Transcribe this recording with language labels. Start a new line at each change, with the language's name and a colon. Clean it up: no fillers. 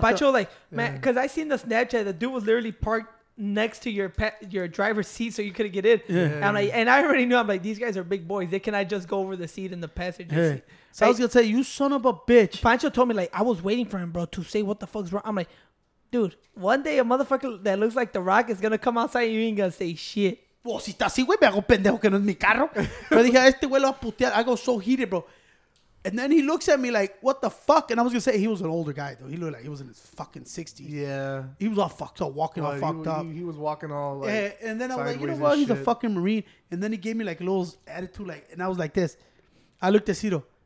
English: Pacho, like, man, because I seen the Snapchat. The dude was literally parked next to your driver's seat so you couldn't get in. Yeah. And I already knew. I'm like, these guys are big boys. They cannot just go over the seat in the passenger seat. So I was going to say, you son of a bitch. Pancho told me, like, I was waiting for him, bro, to say what the fuck's wrong. I'm like, dude, one day a motherfucker that looks like The Rock is going to come outside and you ain't going to say shit.
Spanish: Well, si está así, güey, me hago pendejo que no es mi carro. Pero dije, este güey lo va a putear.
English: I go so heated, bro. And then he looks at me like, what the fuck? And I was going to say, he was an older guy, though. He looked like he was in his fucking 60s. Yeah. He was all fucked up, walking all fucked up. He was walking all, like, and then I was like, you know what? He's a fucking Marine. And then he gave me, like, a little attitude, like, and I was like this. I looked at Ciro.